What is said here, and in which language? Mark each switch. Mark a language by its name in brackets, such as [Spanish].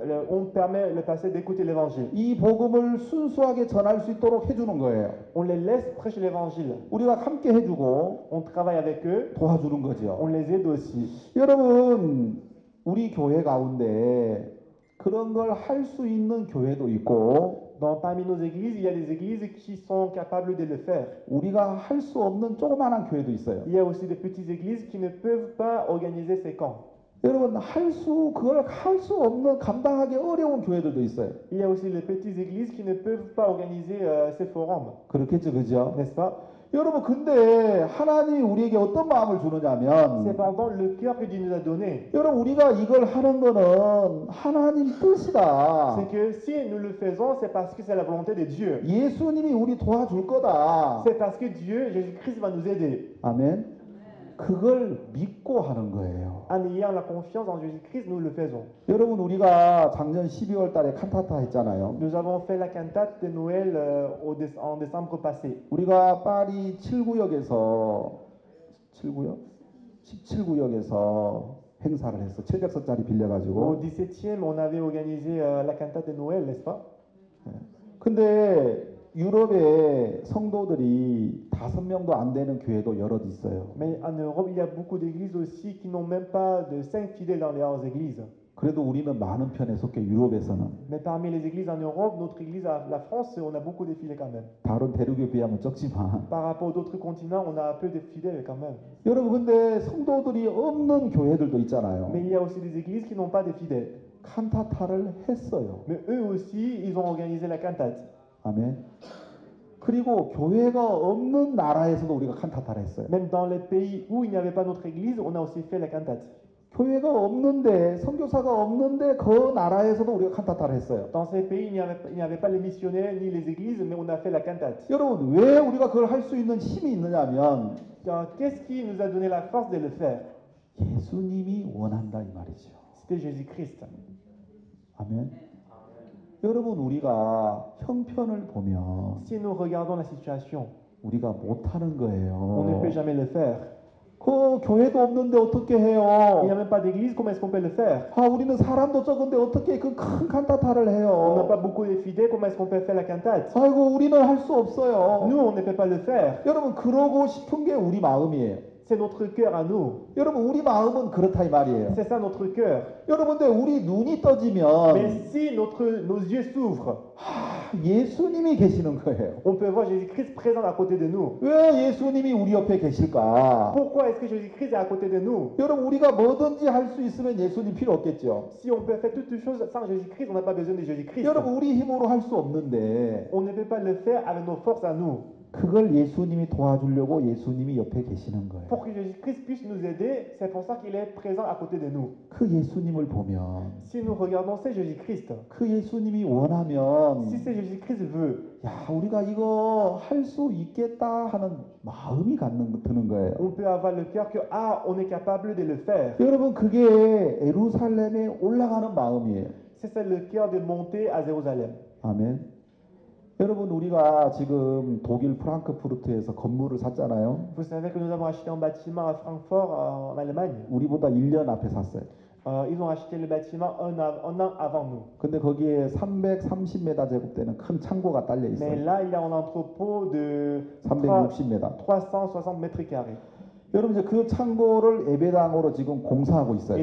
[French] On permet le passé d'écouter l'évangile. [Korean] 이 복음을 순수하게 전할 수 있도록 해주는 거예요. [French] On les laisse prêcher l'évangile. [Korean] 우리가 함께 해주고, [French] on travaille avec eux. [Korean] 도와주는 거죠. [French] On les aide aussi. [Korean] 여러분, 우리 교회 가운데 그런 걸 할 수 있는 교회도 있고. [French] Dans parmi nos églises, il y a des églises qui sont capables de le faire. [Korean] 우리가 할 수 없는 조그만한 교회도 있어요. [French] Il y a aussi des petites églises qui ne peuvent pas organiser ces camps. [Korean] 여러분, 할 수 그걸 할 수 없는 감당하기 어려운 교회들도 있어요. [French] Il y a aussi des petites églises qui ne peuvent pas organiser ces forums. [Korean] 그렇겠죠, 그죠? [French] N'est-ce pas? [Korean] 여러분, 근데 하나님 우리에게 어떤 마음을 주느냐면 [French] C'est pardon, le cœur que Dieu nous a donné. [Korean] 여러분, 우리가 이걸 하는 거는 하나님 뜻이다. [French] C'est que si nous le faisons, c'est parce que c'est la volonté de Dieu. [Korean] 예수님이 우리 도와줄 거다. [French] C'est parce que Dieu, Jésus-Christ va nous aider. [Korean] 아멘. 그걸 믿고 하는 거예요. [French] En ayant la confiance en Jésus-Christ, nous le faisons. [Korean] 여러분, 우리가 작년 12월 달에 칸타타 했잖아요. [French] Nous avons fait la cantate de Noël en décembre passé. [Korean] 우리가 파리 7구역에서 7구역? 17구역에서 행사를 했어. 700석짜리 빌려 가지고. [French] Au 17e, on avait organisé la cantate de Noël, n'est-ce pas? [Korean] 근데 유럽에 성도들이 다섯 명도 안 되는 교회도 여러 있어요. [French] Mais en Europe, il y a beaucoup d'églises aussi qui n'ont même pas de 5 fidèles dans leurs églises. [Korean] 그래도 우리는 많은 편에 속해 유럽에서는. [French] Mais parmi les églises en Europe, notre église, la France, on a beaucoup de fidèles quand même. [Korean] 다른 대륙에 비하면 적지만. [French] Par rapport d'autres continents, on a peu de fidèles quand même. [Korean] 여러분, 근데 성도들이 없는 교회들도 있잖아요. [French] Mais il y a aussi des églises qui n'ont pas de fidèles. [Korean] 칸타타를 했어요. [French] Mais eux aussi, ils ont organisé la cantate. [Korean] 아멘. 그리고 교회가 없는 나라에서도 우리가 칸타타를 했어요. [French] Même dans les pays où il n'y avait pas notre église, on a aussi fait la cantate. [Korean] 교회가 없는데, 선교사가 없는데 그 나라에서도 우리가 칸타타를 했어요. [French] Dans ces pays, il n'y avait pas les missionnaires ni les églises, mais on a fait la cantate. [Korean] 여러분, 왜 우리가 그걸 할 수 있는 힘이 있느냐면 [French] Qu'est-ce qui nous a donné la force de le faire? [Korean] 예수님이 원한다 이 말이죠. [French] C'était Jésus-Christ. [Korean] 아멘. 여러분, 우리가 형편을 보면 [French] Si nous regardons la situation, [Korean] 우리가 못하는 거예요. [French] On ne peut jamais le faire. [Korean] 그 교회도 없는데 어떻게 해요? [French] Il n'y a même pas d'église, comment est-ce qu'on peut le faire? [Korean] 아, 우리는 사람도 적은데 어떻게 그 큰 칸타타를 해요? [French] On n'a pas beaucoup de fidèles, comment est-ce qu'on peut faire la cantate? [Korean] 아이고, 우리는 할 수 없어요. [French] Nous, on ne peut pas le faire. [Korean] 여러분, 그러고 싶은 게 우리 마음이에요. [French] C'est notre cœur à nous. [Korean] 여러분, 우리 마음은 그렇다 이 말이에요. [French] C'est ça notre cœur. [Korean] 여러분들 우리 눈이 떠지면 [French] Mais si nos yeux s'ouvrent. [Korean] 예수님이 계시는 거예요. [French] On peut voir Jésus-Christ présent à côté de nous. [Korean] 왜 예수님이 우리 옆에 계실까? [French] Pourquoi est-ce que Jésus-Christ est à côté de nous? [Korean] 여러분, 우리가 뭐든지 할 수 있으면 예수님 필요 없겠죠. [French] Si on peut faire toutes choses sans Jésus-Christ, on n'a pas besoin de Jésus-Christ. [Korean] 여러분, 우리 힘으로 할 수 없는데. [French] On ne peut pas le faire avec nos forces à nous. [Korean] 그걸 예수님이 도와주려고 예수님이 옆에 계시는 거예요. [French] Pour que Jésus-Christ puisse nous aider, c'est pour ça qu'il est présent à côté de nous. [Korean] 그 예수님을 보면 [French] Si nous regardons c'est Jésus-Christ. [Korean] 그 예수님이 원하면 [French] Si c'est Jésus-Christ veut. [Korean] 야, 우리가 이거 할 수 있겠다 하는 마음이 드는 거예요. [French] On peut avoir le cœur que ah, on est capable de le faire. [Korean] 여러분, 그게 예루살렘에 올라가는 마음이에요. [French] C'est le cœur de monter à Jérusalem. [Korean] 아멘. 여러분, 우리가 지금 독일 프랑크푸르트에서 건물을 샀잖아요. [French] Vous savez que nous avons acheté un bâtiment à Francfort en Allemagne. [Korean] 우리보다 1년 앞에 샀어요. [French] Ils ont acheté le bâtiment un an avant nous. [Korean] 근데 거기에 330m 제곱 되는 큰 창고가 딸려 있어요. [French] Mais là, il y a un entrepôt de [Korean] 360m. [French] 360m². [Korean] 여러분, 이제 그 창고를 예배당으로 지금 공사하고 있어요.